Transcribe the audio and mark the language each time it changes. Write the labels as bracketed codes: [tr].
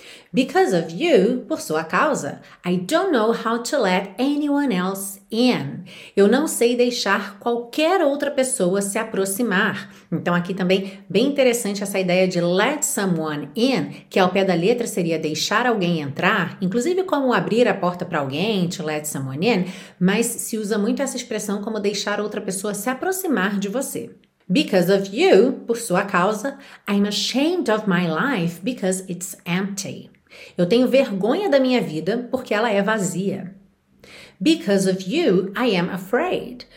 [en] Because of you, [pt] por sua causa, [en] I don't know how to let anyone else in. [pt] Eu não sei deixar qualquer outra pessoa se aproximar. Então, aqui também, bem interessante essa ideia de let someone in, que ao pé da letra seria deixar alguém entrar, inclusive como abrir a porta para alguém, to let someone in, mas se usa muito essa expressão como deixar outra pessoa se aproximar de você. [en] Because of you, [pt] por sua causa, [en] I'm ashamed of my life because it's empty. [pt] Eu tenho vergonha da minha vida porque ela é vazia. [en] Because of you, I am afraid.